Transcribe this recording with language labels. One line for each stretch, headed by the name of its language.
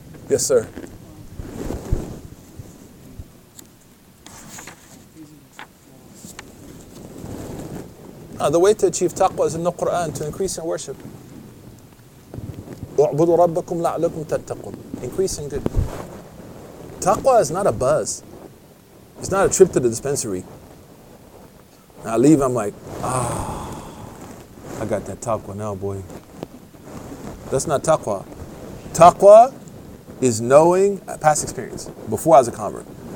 English: Yes, sir. The way to achieve taqwa is in the Quran, to increase in worship.
Arabic: اعبدوا ربكم لعلكم تتقون.
English: Increase in good. Taqwa is not a buzz. It's not a trip to the dispensary. I leave, I'm like, I got that taqwa now, boy. That's not taqwa. Taqwa is knowing, past experience, before I was a convert.